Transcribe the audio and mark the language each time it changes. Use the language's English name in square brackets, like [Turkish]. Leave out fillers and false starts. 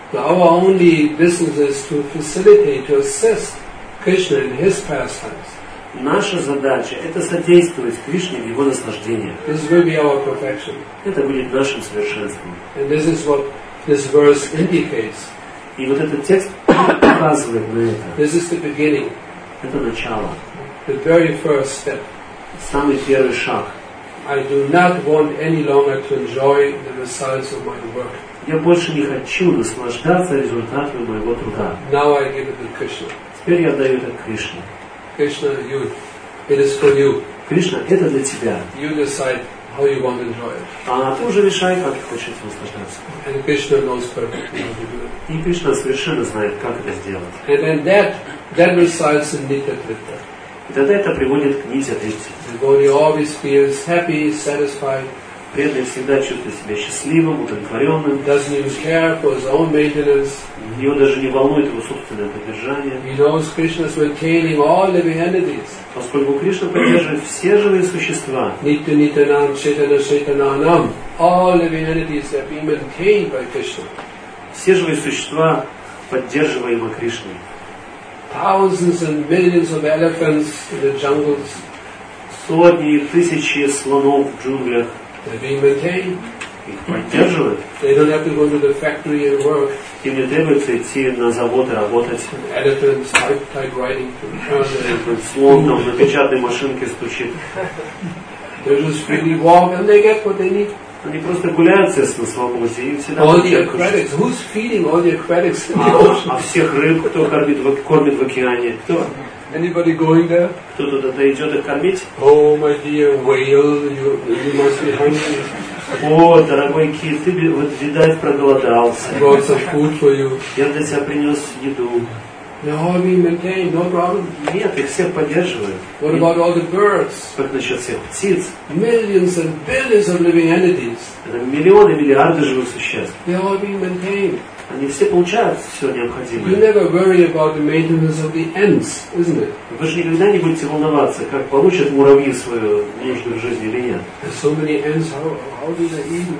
[English] Our only business is to facilitate, to assist Krishna in his pastimes. [Russian] Наша задача – это содействовать Кришне в его наслаждении. [English] This will be our perfection. [Russian] Это будет нашим совершенством. [English] And this is what this verse indicates. [Russian] И вот этот текст указывает на это. [English] This is the beginning. [Russian] Это начало. [English] The very first step. [Russian] Самый первый шаг. [English] I do not want any longer to enjoy the results of my work. [Russian] Я больше не хочу наслаждаться результатами моего труда. [English] Now I give it to Krishna. [Russian] Теперь я даю это Кришне. [English] Krishna, you. It is for you. [Russian] Кришна, это для тебя. [English] You decide how you want to enjoy it. [Russian] А ты уже решай, как ты хочешь наслаждаться. [English] And Krishna knows perfectly how to do it. [Russian] И Кришна совершенно знает, как это сделать. [English] And then that results in Nitya Tritta. [Russian] И тогда это приводит к Нитья Тритте. [English] The body always feels happy, satisfied. [Russian] Преданный всегда чувствует себя счастливым, удовлетворенным. [English] Doesn't even care for his own maintenance. [Russian] Его даже не волнует его собственное поддержание. [English] He knows Krishna's maintaining all living entities. [Russian] Поскольку Кришна поддерживает все живые существа. [Sanskrit] Nitya Nityanam, Chaitanya Chaitananam. [English] All living entities are being maintained by Krishna. [Russian] Все живые существа поддерживаемы Кришной. [English] Thousands and millions of elephants in the jungles. [Russian] Сотни и тысячи слонов в джунглях. [English] They're being maintained. [Russian] Их поддерживают. [English] They don't have to go to the factory and work. [Russian] Им не требуется идти на завод и работать. [English] An elephant typewriting. [Russian] Слон там на печатной машинке стучит. [English] They just freely walk and they get what they need. [Russian] Они просто гуляют все на свободе и всегда получают. [English] Who's feeding all the aquatics? [Russian] А всех рыб, кто кормит в океане? Кто? [English] Anybody going there? [Russian] Кто туда идет их кормить? [English] Oh, my dear whale, you must be hungry. [Russian] О, дорогой кит, ты, вот, видать, проголодался. [English] I brought some food for you. [Russian] Я для тебя принес еду. [English] No, I mean, maintain, no problem. [Russian] Нет, их всех поддерживают. [English] What about all the birds? [Russian] Как насчет всех птиц? [English] Millions and billions of living entities. [Russian] Это миллионы, миллиарды живых существ. [English] They all being maintained. [Russian] Они все получают все необходимое. [English] You never worry about the maintenance of the ants, isn't it? [Russian] Вы же никогда не будете волноваться, как получат муравьи свою нужную жизнь или нет. [English] So many ants, how do they eat?